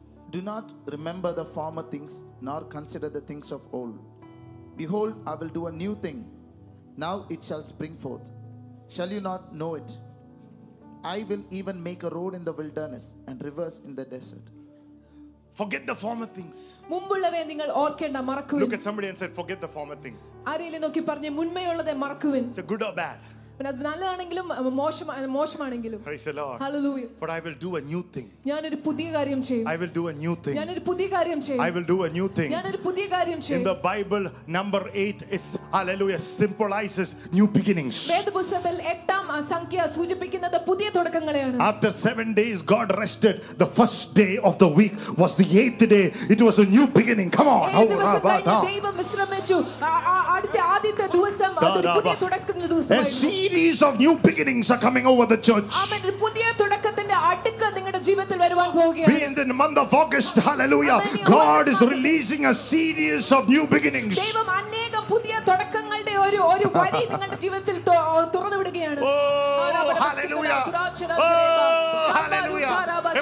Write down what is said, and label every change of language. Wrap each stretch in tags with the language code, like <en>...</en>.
<en>Do not remember the former things, nor consider the things of old. Behold, I will do a new thing. Now it shall spring forth. Shall you not know it? I will even make a road in the wilderness and rivers in the desert. Forget the former things.</en> <ml>മുൻപുള്ളവയെ നിങ്ങൾ ഓർക്കേണ്ട മറക്കുവിൻ.</ml> <en>Look at somebody and said, forget the former things.</en> <ml>ആരെയെ നോക്കി പറഞ്ഞു മുൻമേയുള്ളതേ മറക്കുവിൻ.</ml> <en>It's a good or bad.</en> <ml>പിന്നെ അത് നല്ലതാണെങ്കിലും മോശമാണെങ്കിലും.</ml> <en>Praise the Lord. Hallelujah. But I will do a new thing.</en> <ml>ഞാൻ ഒരു പുതിയ കാര്യം ചെയ്യും.</ml> <en>I will do a new thing.</en> <ml>ഞാൻ ഒരു പുതിയ കാര്യം ചെയ്യും.</ml> <en>I will do a new thing.</en> <ml>ഞാൻ ഒരു പുതിയ കാര്യം ചെയ്യും.</ml> <en>In the Bible number 8 is hallelujah symbolizes new beginnings.</en> <ml>വേദപുസ്തകത്തിൽ 8-ാം സംഖ്യ സൂചിപ്പിക്കുന്നത് പുതിയ തുടക്കങ്ങളെയാണ്.</ml> <en>After 7 days God rested. The first day of the week was the 8th day. It was a new beginning. Come on.</en> <ml>ദൈവം വിശ്രമിച്ചു. ആദ്യത്തെ ദിവസം അതൊരു പുതിയ തുടക്കത്തിന്റെ ദിവസമായിരുന്നു.</ml> <en>Series of new beginnings are coming over the church. Amen.</en> <ml>പുതിയ തുടക്കത്തിന്റെ അടുക്ക നിങ്ങളുടെ ജീവിതത്തിൽ വരുവാൻ പോവുകയാണ്.</ml> <en>In the month of August, hallelujah, God is releasing a series of new beginnings.</en> <ml>ദൈവം അനേകം പുതിയ തുടക്കങ്ങളുടെ ഒരു ഒരു വഴി നിങ്ങളുടെ ജീവിതത്തിൽ തുറന്നു വിടുകയാണ്.</ml> <en>Oh, hallelujah. Oh, hallelujah.</en>